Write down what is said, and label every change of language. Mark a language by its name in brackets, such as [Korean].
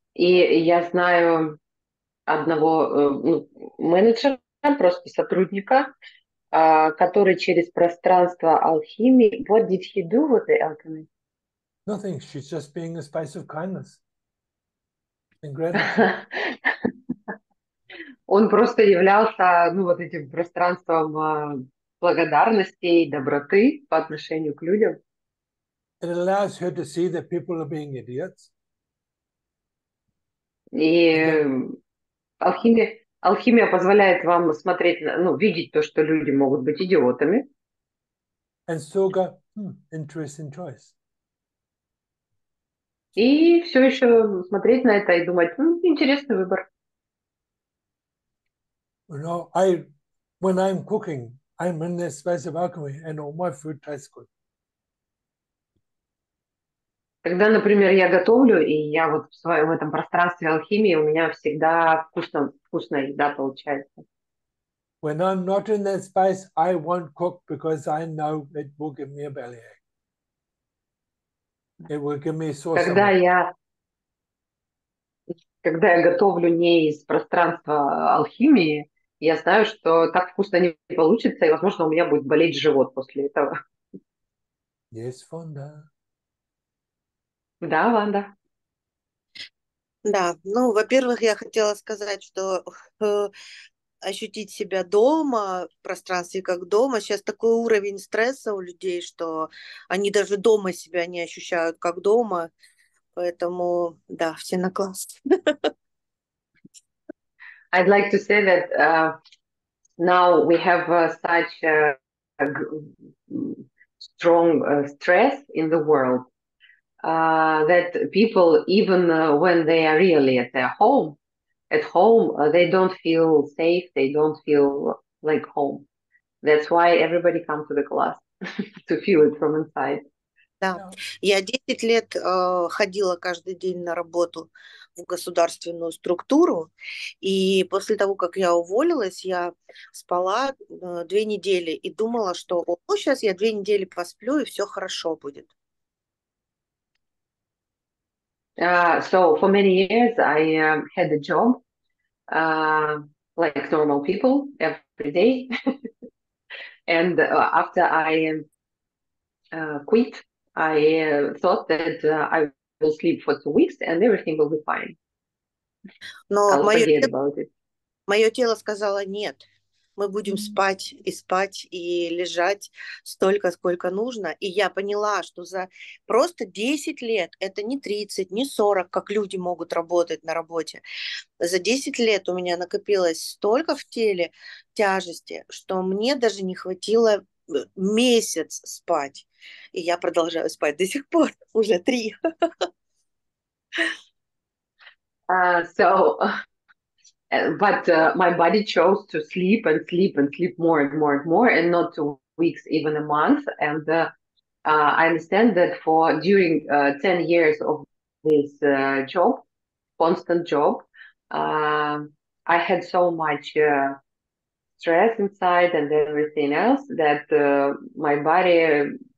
[Russian] И я знаю одного менеджера, просто сотрудника, который через пространство алхимии. [English] What did he do with the alchemy? Nothing. She's just being a space of kindness and gratitude. [Russian] Он просто являлся, ну, вот этим пространством благодарности и доброты по отношению к людям. [English] It allows her to see that people are being idiots. [Russian] И алхимия позволяет вам смотреть, ну, видеть то, что люди могут быть идиотами. [English] And still go, interesting choice. [Russian] И все еще смотреть на это и думать, интересный выбор. [English] You know, when I'm cooking, I'm in this space of alchemy, and all my food tastes good. [Russian] Когда, например, я готовлю, и я вот в своем этом пространстве алхимии, у меня всегда вкусно, вкусная еда получается. [English] When I'm not in that space, I won't cook because I know it will give me a bellyache. It will give me sore [Russian] Когда [English] stomach. [Russian] Когда я готовлю не из пространства алхимии, я знаю, что так вкусно не получится, и, возможно, у меня будет болеть живот после этого. [English] Yes, Fonda. [Russian] Да, Ванда. Да, ну, во-первых, я хотела сказать, что ощутить себя дома, в пространстве как дома, сейчас такой уровень стресса у людей, что они даже дома себя не ощущают как дома, поэтому, да, все на класс. [English] I'd like to say that now we have such a strong stress in the world. That people, even when they are really at home, they don't feel safe, they don't feel like home. That's why everybody comes to the class, to feel it from inside. [Russian] Да. Я 10 лет ходила каждый день на работу в государственную структуру, и после того, как я уволилась, я спала 2 недели и думала, что сейчас я 2 недели посплю, и все хорошо будет. [English] So for many years, I had a job like normal people every day. And after I quit, I thought that I will sleep for 2 weeks and everything will be fine. [Russian] Но [English] I'll forget about it. [Russian] Мое тело сказало нет. Мы будем спать и лежать столько, сколько нужно. И я поняла, что за просто 10 лет, это не 30, не 40, как люди могут работать на работе. За 10 лет у меня накопилось столько в теле тяжести, что мне даже не хватило месяц спать. И я продолжаю спать до сих пор, уже 3. [English] But my body chose to sleep and sleep and sleep more and more and more, and not 2 weeks, even a month. And I understand that for during 10 years of this job, constant job, I had so much stress inside and everything else that my body